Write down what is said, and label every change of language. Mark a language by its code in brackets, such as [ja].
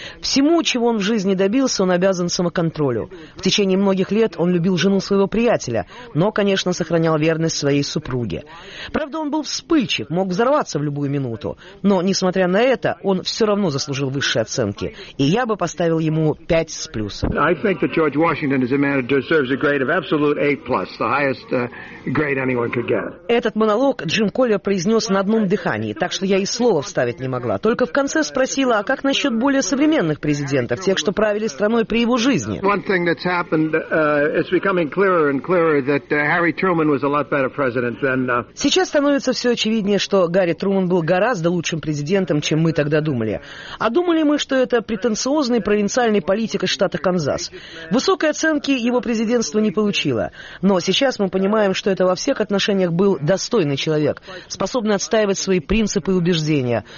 [ru] Всему, чего он в жизни добился, он обязан самоконтролю. В течение многих лет он любил жену своего приятеля, но, конечно, сохранял верность своей супруге. Правда, он был вспыльчив, мог взорваться в любую минуту. Но, несмотря на это, он все равно заслужил высшие оценки. И я бы поставил ему 5 с плюсом. [en] I think that George Washington is a man who deserves a grade of absolute A+, the highest grade anyone could get. [ru] Этот монолог Джим Коллер произнес на одном дыхании, так что я и слова вставить не могла. Только в конце спросила, а как насчет более современных президентов, тех, что правили страной при его жизни? [en] One thing that's happened, it's becoming clearer and clearer that Harry Truman was a lot better president than... [ru] Сейчас становится все очевиднее, что Гарри Трумэн был гораздо лучшим президентом, чем мы тогда думали. А думали мы, что это претенциозный провинциальный политик из штата Канзас. Высокой оценки его президентство не получило. Но сейчас мы понимаем, что это во всех отношениях был достойный человек, способный отстаивать свои принципы и убеждения.